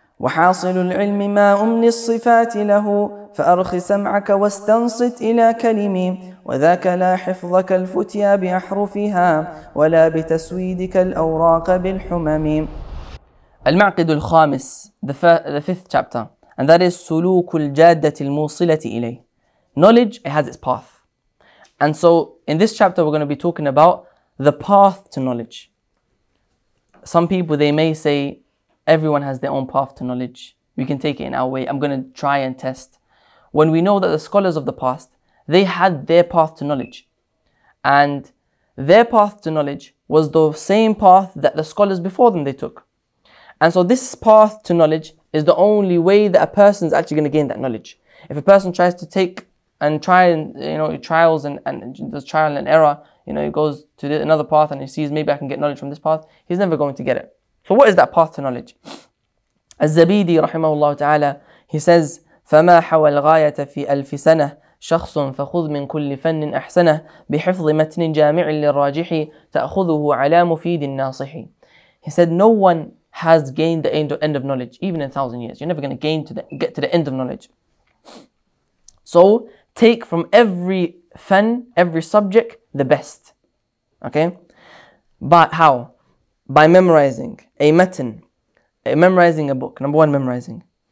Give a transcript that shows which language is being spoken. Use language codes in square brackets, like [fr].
[ar] وحاصل العلم ما أمني الصفات له، فأرخ سمعك واستنصت إلى كلمي، وذاك لا حفظك الفتيا بأحرفها ولا بتسويدك الأوراق بالحمم. المعقد الخامس, [en] the fifth chapter, and that is [ar] سلوك الجادة الموصلة إليه. [en] Knowledge, it has its path. And so in this chapter we're going to be talking about the path to knowledge. Some people, they may say, everyone has their own path to knowledge. We can take it in our way. I'm going to try and test. When we know that the scholars of the past, they had their path to knowledge. And their path to knowledge was the same path that the scholars before them, they took. And so this path to knowledge is the only way that a person is actually going to gain that knowledge. If a person tries to take and try and, you know, trials and does trial and error, you know, he goes to another path and he sees, maybe I can get knowledge from this path, he's never going to get it. So what is that path to knowledge? [ar] الزبيدي رحمه الله تعالى, [en] he says, [ar] فما حوى الغاية في ألف سنة شخص فخذ من كل فن أحسنه بحفظ متن جامع للراجح تأخذه على مفيد الناصح. [en] He said, no one has gained the end of knowledge, even in 1,000 years. You're never going to get to the end of knowledge. So take from every fan, every subject, the best. Okay? But how? By memorizing a matan, memorizing a book, number one, memorizing.